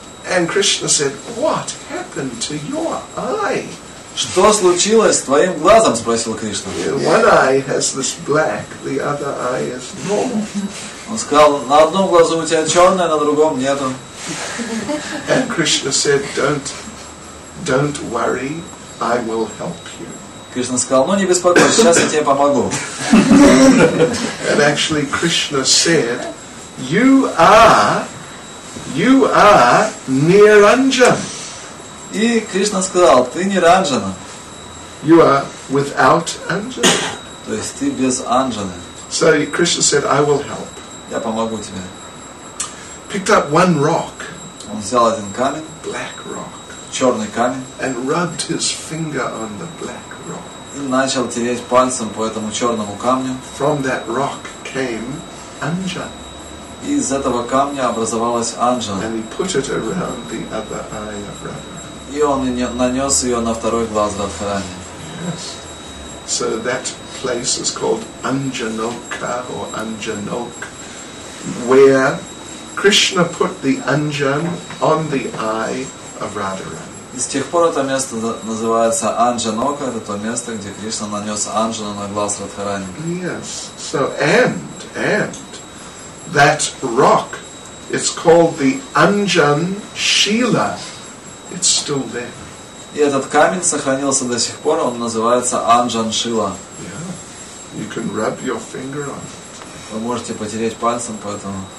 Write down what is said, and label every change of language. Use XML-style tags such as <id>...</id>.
<en>And Krishna said, "What happened to your eye?"</en> <ru>Что случилось с твоим глазом? Спросил Кришна.</ru> <en>One eye has this black, the other eye is normal.</en> <ru>Он сказал, на одном глазу у тебя черное, на другом нету.</ru> <en>And Krishna said, don't worry, I will help you.</en> <ru>Кришна сказал, ну не беспокойся, сейчас я тебе помогу.</ru> <en>And actually Krishna said, you are Niranjan.</en> <ru>И Кришна сказал, ты не Ранджана.</ru> <en>You are without Anjana.</en> <ru>То есть ты без Анджаны.</ru> <en>So Krishna said, I will help.</en> <ru>Я помогу тебе.</ru> <en>Picked up one rock.</en> <ru>Он взял один камень.</ru> <en>Black rock.</en> <ru>Черный камень.</ru> <en>And rubbed his finger on the black rock.</en> <ru>И начал тереть пальцем по этому черному камню.</ru> <en>From that rock came Anjana.</en> <ru>И из этого камня образовалась Анджана.</ru> <en>And he put it around the other eye of Radharani.</en> <ru>И он нанес ее на второй глаз Радхарани.</ru> <en>Yes. So that place is called Anjanoka or Anjanok. Where Krishna put the anjan on the eye of Radharani.</en> <ru>С тех пор это место называется Анджанока, это то место, где Кришна нанес анджану на глаз Радхарани.</ru> <en>Yes. So and that rock, it's called the Anjan Shila. It's still there.</en> <ru>И этот камень сохранился до сих пор, он называется Анджан Шила.</ru> <en>Yeah. You can rub your finger on it.</en> <ru>Вы можете потереть пальцем по этому</ru>